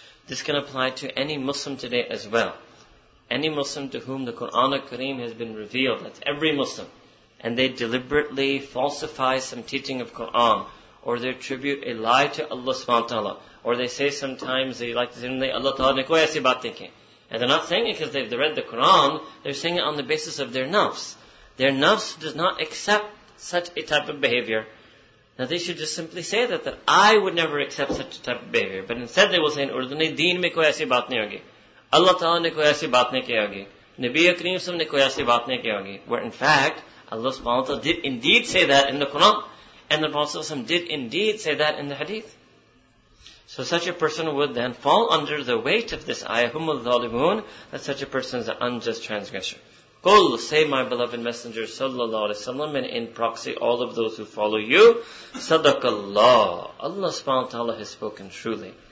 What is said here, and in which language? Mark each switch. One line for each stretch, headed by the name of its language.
English: This can apply to any Muslim today as well. Any Muslim to whom the Qur'an al-Kareem has been revealed, that's every Muslim, and they deliberately falsify some teaching of Qur'an, or they attribute a lie to Allah subhanahu wa ta'ala, or they say sometimes, they like to say,
Urdu: Allah ta'ala ne koi aisi baat
English: thinking. And they're not saying it because they've read the Qur'an, they're saying it on the basis of their nafs. Their nafs does not accept such a type of behavior. Now they should just simply say that I would never accept such a type of behavior. But instead they will say,
Urdu: ان اردھانی دین میں کوئی ایسی بات نہیں ہوگی. اللہ تعالیٰ نے کوئی ایسی بات نہیں کی ہوگی. نبی اکرم صاحب نے کوئی ایسی بات نہیں کی ہوگی.
English: Where in fact, Allah subhanahu wa ta'ala did indeed say that in the Quran. And the Prophet sallallahu alaihi wasallam did indeed say that in the hadith. So such a person would then fall under the weight of this ayah, hum al-zalimun, that such a person is an unjust transgressor. Qul, say my beloved Messenger sallallahu alayhi wa sallam, and in proxy all of those who follow you, sadaqallah, Allah subhanahu wa ta'ala has spoken truly.